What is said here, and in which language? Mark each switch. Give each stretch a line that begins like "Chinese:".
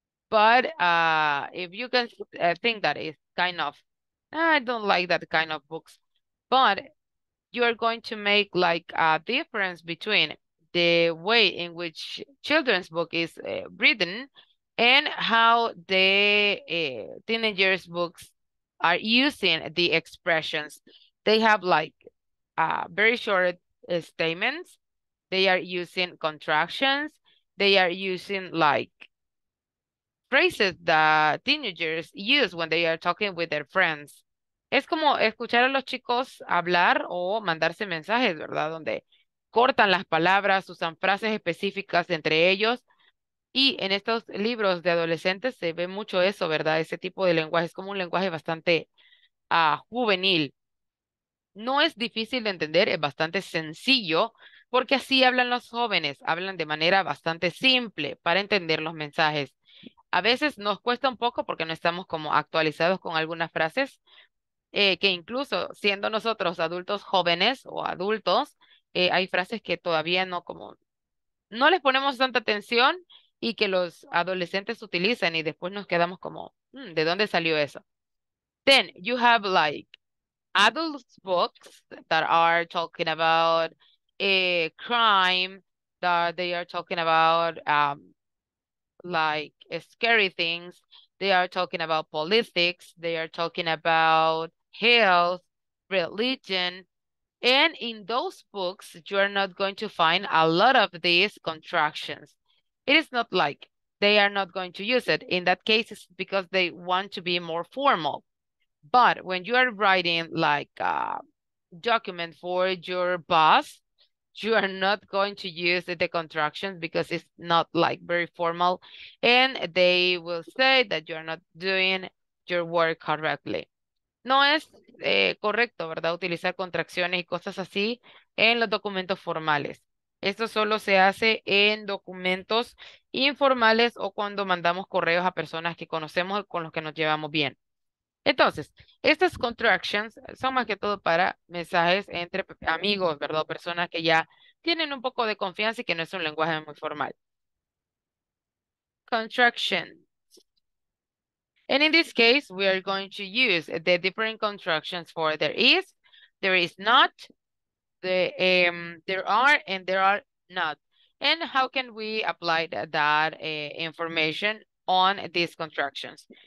English: But if you can think that it's kind of, I don't like that kind of books, but you are going to make like a difference between the way in which children's book is written and how the teenagers' books are using the expressions. They have like very short statements. They are using contractions. They are using like phrases that teenagers use when they are talking with their friends.
Spanish: Es como escuchar a los chicos hablar o mandarse mensajes, ¿verdad? Donde cortan las palabras, usan frases específicas entre ellos. Y en estos libros de adolescentes se ve mucho eso, ¿verdad? Ese tipo de lenguaje es como un lenguaje bastante juvenil. No es difícil de entender, es bastante sencillo, porque así hablan los jóvenes, hablan de manera bastante simple para entender los mensajes. A veces nos cuesta un poco porque no estamos como actualizados con algunas frases, que incluso siendo nosotros adultos jóvenes o adultos, hay frases que todavía no como, no les ponemos tanta atención y que los adolescentes utilizan y después nos quedamos como, ¿de dónde salió eso?
English: Then you have like adult books that are talking about a crime, that they are talking about like scary things. They are talking about politics. They are talking about health, religion. And in those books, you are not going to find a lot of these contractions. It is not like they are not going to use it. In that case, it's because they want to be more formal. But when you are writing like a document for your boss, you are not going to use the contraction because it's not like very formal. And they will say that you are not doing your work correctly.
Spanish: No es correcto, ¿verdad? Utilizar contracciones y cosas así en los documentos formales. Esto solo se hace en documentos informales o cuando mandamos correos a personas que conocemos con los que nos llevamos bien. Entonces, estas contractions son más que todo para mensajes entre amigos, ¿verdad? Personas que ya tienen un poco de confianza y que no es un lenguaje muy formal.
English: Contractions. And in this case, we are going to use the different contractions for there is not, there are, and there are not. And how can we apply that information on these contractions?